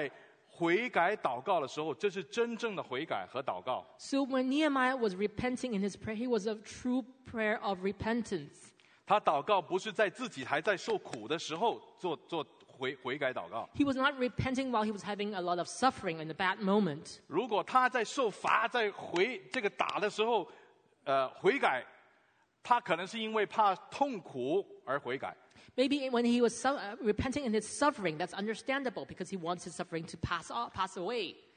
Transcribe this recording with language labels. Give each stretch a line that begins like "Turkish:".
Chinese: 当这个尼希米在悔改祷告的时候, 这是真正的悔改和祷告。
English: So when Nehemiah was repenting in his prayer, he was a true prayer of repentance.
Chinese: 他祷告不是在自己还在受苦的时候做悔改祷告。
English: He was not repenting while he was having a lot of suffering in the bad moment.
Chinese: 如果他在受罚在回这个打的时候悔改, 他可能是因为怕痛苦而悔改。
English: Maybe when he was repenting in his suffering, that's understandable because he wants his suffering to pass away.